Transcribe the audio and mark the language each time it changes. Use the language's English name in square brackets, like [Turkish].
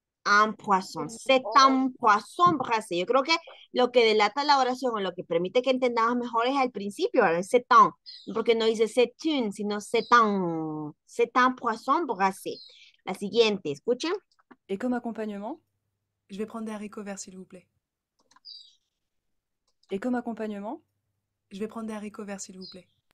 [French] Un poisson, c'est un poisson brasé. [Spanish] Yo creo que lo que delata la oración o lo que permite que entendamos mejor es al principio, ¿verdad? [French] C'est un, [Spanish] porque no dice [French] c'est une, [Spanish] sino [French] c'est un poisson brasé. [Spanish] La siguiente, escuchen. [French] Et comme accompagnement, je vais prendre des haricots verts, s'il vous plaît. Et comme accompagnement, je vais prendre des haricots verts, s'il vous plaît.